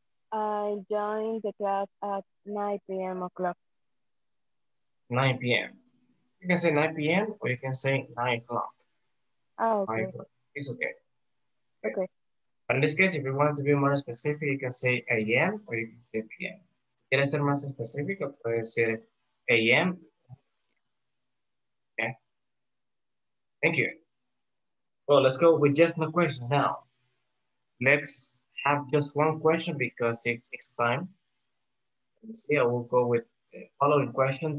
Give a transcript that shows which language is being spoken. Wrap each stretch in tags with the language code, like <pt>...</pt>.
<en>I join the class at 9 p.m. 9 p.m. You can say 9 p.m. or you can say 9 o'clock. Oh, okay. 9 o'clock. It's okay. Okay. But in this case, if you want to be more specific, you can say a.m. or you can say p.m.</en> <es>Si quieres ser más específico, puedes decir a.m.</es> <en>Thank you. Well, let's go with just no questions now. Let's have just one question because it's time. Let's see, I will go with the following question.</en>